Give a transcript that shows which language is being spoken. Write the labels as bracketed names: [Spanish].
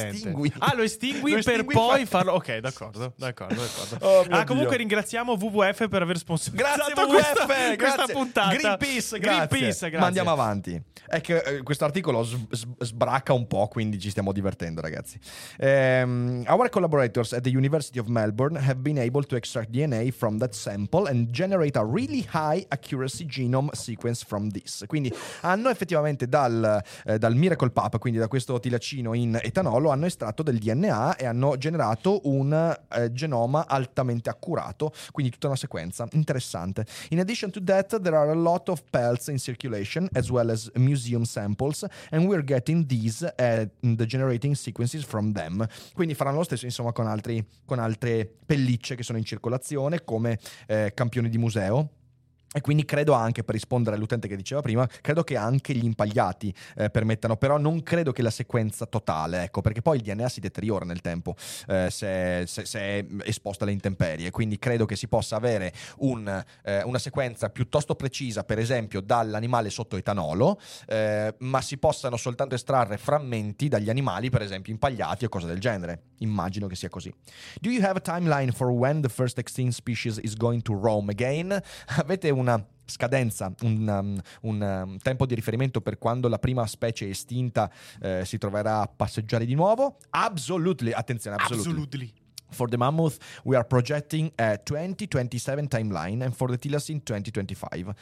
[Italian] Lo estingui. Ah, lo estingui per poi farlo. Ok, d'accordo. D'accordo, d'accordo. Oh, ah, comunque, Dio, ringraziamo WWF per aver sponsorizzato. Grazie, WWF, questa puntata. Greenpeace, grazie. Greenpeace, grazie. Ma andiamo avanti. È che questo articolo sbracca un po', quindi ci stiamo divertendo, ragazzi. [English] Our collaborators at the University of Melbourne have been able to extract DNA from that sample and generate a really high accuracy genome sequence from this. [Italian] Quindi hanno effettivamente dal Miracle Pup, quindi da questo tilacino in etanolo, hanno estratto del DNA e hanno generato un genoma altamente accurato, quindi tutta una sequenza interessante. [English] In addition to that, there are a lot of pelts in circulation as well as museum samples, and we're getting these and generating sequences from them. [Italian] Quindi faranno lo stesso, insomma, con altre pellicce che sono in circolazione come campioni di museo. E quindi credo anche, per rispondere all'utente che diceva prima, credo che anche gli impagliati permettano, però non credo che la sequenza totale, ecco, perché poi il DNA si deteriora nel tempo se è esposto alle intemperie, quindi credo che si possa avere una sequenza piuttosto precisa, per esempio dall'animale sotto etanolo, ma si possano soltanto estrarre frammenti dagli animali, per esempio impagliati o cose del genere. Immagino che sia così. [English] Do you have a timeline for when the first extinct species is going to roam again? [Italian] Avete una scadenza, un tempo di riferimento per quando la prima specie estinta si troverà a passeggiare di nuovo? [English] Absolutely, attenzione, absolutely. Absolutely. For the mammoth we are projecting a 2027 timeline and for the thylacine 2025.